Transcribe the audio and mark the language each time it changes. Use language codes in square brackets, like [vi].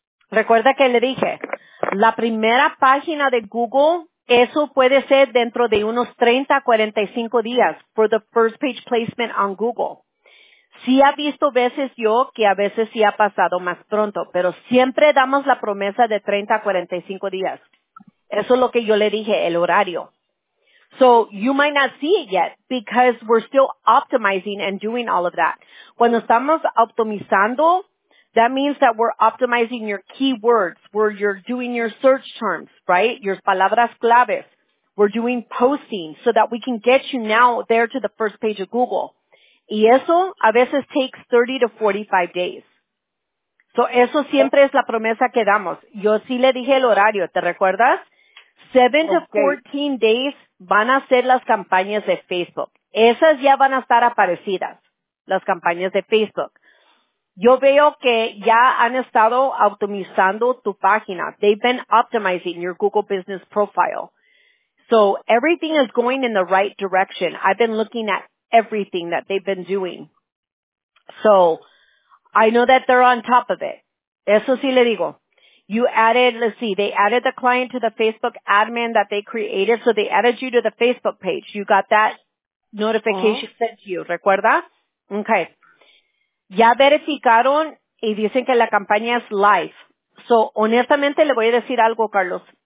[es] Recuerda que le dije, la primera página de Google, eso puede ser dentro de unos 30 a 45 días [en] for the first page placement on Google. [es] Sí ha visto veces yo que a veces sí ha pasado más pronto, pero siempre damos la promesa de 30 a 45 días. Eso es lo que yo le dije, el horario. [en] So you might not see it yet because we're still optimizing and doing all of that. [es] Cuando estamos optimizando, [en] that means that we're optimizing your keywords, where you're doing your search terms, right? Your palabras claves. We're doing posting so that we can get you now there to the first page of Google. [es] Y eso a veces [en] takes 30 to 45 days. [es] So eso siempre es la promesa que damos. Yo sí le dije el horario, ¿te recuerdas? [en] 7 to 14 days [es] van a ser las campañas de Facebook. Esas ya van a estar aparecidas, las campañas de Facebook. Yo veo que ya han estado optimizando tu página. [en] They've been optimizing your Google Business Profile. So everything is going in the right direction. I've been looking at everything that they've been doing. So I know that they're on top of it. [es] Eso sí le digo. [en] You added, let's see, they added the client to the Facebook admin that they created. So they added you to the Facebook page. You got that notification sent to you, ¿recuerda? Okay. [es] Ya verificaron y dicen que la campaña es live. So, honestamente, le voy a decir algo, Carlos.